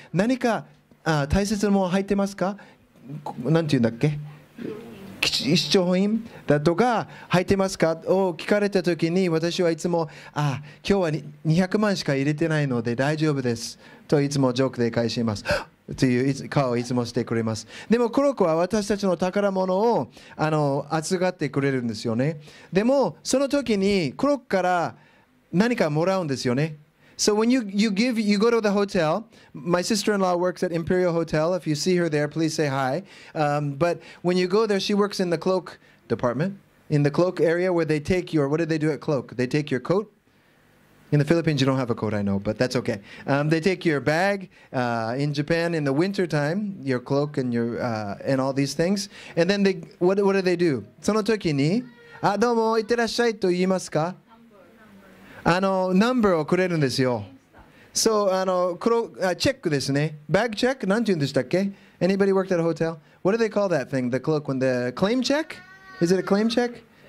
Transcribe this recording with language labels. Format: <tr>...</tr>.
<ja>何か大切なもの入ってますか、なんて言うんだっけ、貴重品だとか入ってますかを聞かれた時に、私はいつも今日は200万しか入れてないので大丈夫ですといつもジョークで返しますという顔をいつもしてくれます。でもクロークは私たちの宝物を扱ってくれるんですよね。でもその時にクロークから何かもらうんですよね。</ja> <en>So when you go to the hotel, my sister-in-law works at Imperial Hotel. If you see her there, please say hi. But when you go there, she works in the cloak department, in the cloak area where they take your, what do they do at cloak? They take your coat. In the Philippines, you don't have a coat, I know, but that's okay. They take your bag in Japan in the wintertime, your cloak and your, and all these things. And then they, what do they do?</en> <ja>その時に、どうも、いってらっしゃいと言いますか？ナンバーをくれるんですよ。 So, チェックですね。</ja> <en>Bag check?</en> <ja>なんて言うんでしたっけ？</ja> <en>Anybody worked at a hotel? What do they call that thing? The cloak when the claim check? Is it a claim check?</en>